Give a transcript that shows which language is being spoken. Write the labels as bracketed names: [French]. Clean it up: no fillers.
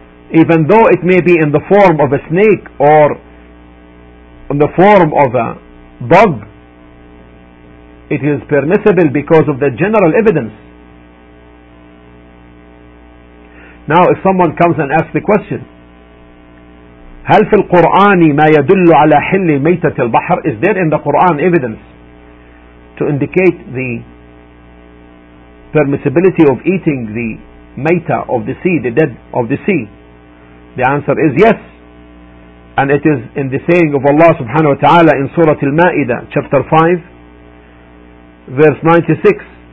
[English] Even though it may be in the form of a snake or in the form of a bug, it is permissible because of the general evidence. Now if someone comes and asks the question, [Arabic] هل في القرآن ما يدل على حل ميتة البحر? [English] Is there in the Quran evidence to indicate the permissibility of eating the mayta of the sea, the dead of the sea? The answer is yes. And it is in the saying of Allah subhanahu wa ta'ala in Surah Al-Ma'idah, chapter 5, verse 96.